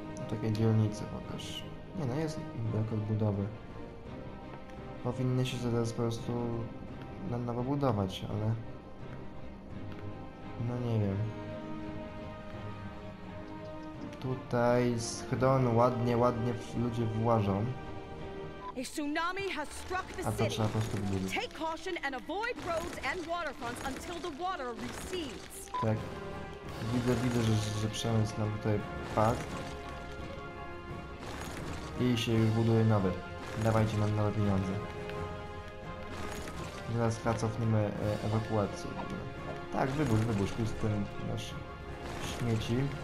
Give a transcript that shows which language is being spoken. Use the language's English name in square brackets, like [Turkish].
[Polish] Takie dzielnice pokaż. Nie no, jest brak odbudowy. Powinny się zaraz po prostu na nowo budować, ale... No nie wiem. Tutaj schron ładnie ludzie włażą. [English] A tsunami has struck the city. Take caution and avoid roads and waterfronts until the water recedes. [Polish] Tak. Widzę, że przemysł nam tutaj padł. I się już buduje nowy. Dawajcie nam nowe pieniądze. Zaraz cofniemy ewakuację. Tak, wybórz. Tu jest ten nasz śmieci.